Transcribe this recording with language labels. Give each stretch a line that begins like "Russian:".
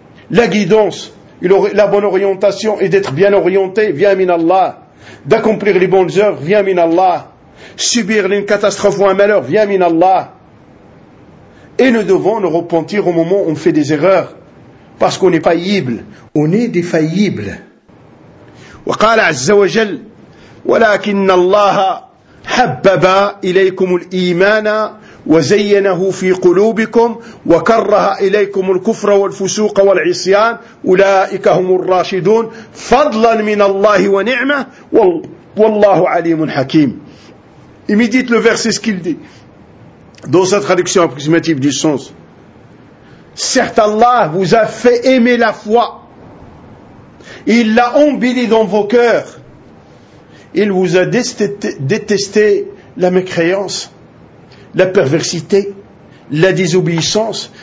French: La guidance, la bonne orientation et d'être bien orienté vient min Allah. D'accomplir les bonnes œuvres vient min Allah. Subir une catastrophe ou un malheur vient min Allah. Et nous devons nous repentir au moment où on fait des erreurs. Parce qu'on est faillible. On est défaillible.
Arabic: Wa qala azza wa jal, walakin Allah habbaba ilaykum al-imana وزينه في قلوبكم وكره إليكم الكفر والفسوق والعصيان أولئك هم الراشدون فضلا من الله ونعمة والله عليم حكيم.
French: Et méditez le verset ce qu'il dit dans cette traduction approximative du sens. Certes, Allah vous a fait aimer la foi. Il l'a embellie dans vos cœurs. Il vous a détesté la mécréance, la perversité, la désobéissance.